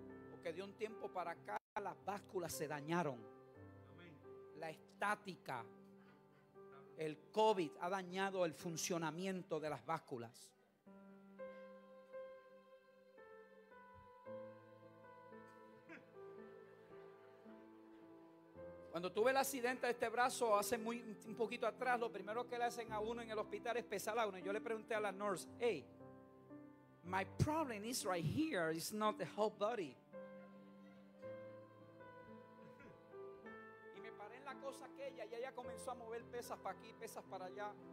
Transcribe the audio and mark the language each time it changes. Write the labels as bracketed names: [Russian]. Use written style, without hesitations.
[Spanish] Porque de un tiempo para acá las básculas se dañaron. La estática, el COVID ha dañado el funcionamiento de las básculas. Cuando tuve el accidente de este brazo hace muy un poquito atrás, lo primero que le hacen a uno en el hospital es pesar a uno. [English] Yo le pregunté a la nurse, hey, my problem is right here, it's not the whole body. [Spanish] Y me paré en la cosa aquella y ella comenzó a mover pesas para aquí, pesas para allá.